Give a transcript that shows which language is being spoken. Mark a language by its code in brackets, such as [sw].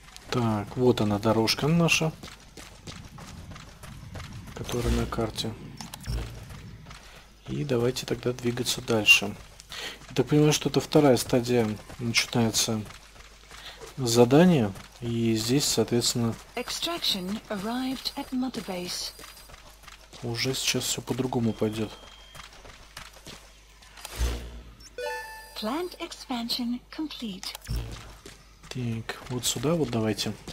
[ru] Так, вот она, дорожка наша, которая на карте. И давайте тогда двигаться дальше. Я так понимаю, что это вторая стадия начинается задания. И здесь, соответственно, [en] Extraction arrived at Mother Base. [ru] Уже сейчас все по-другому пойдет. [en] Plant expansion complete. [ru] Так, вот сюда вот давайте.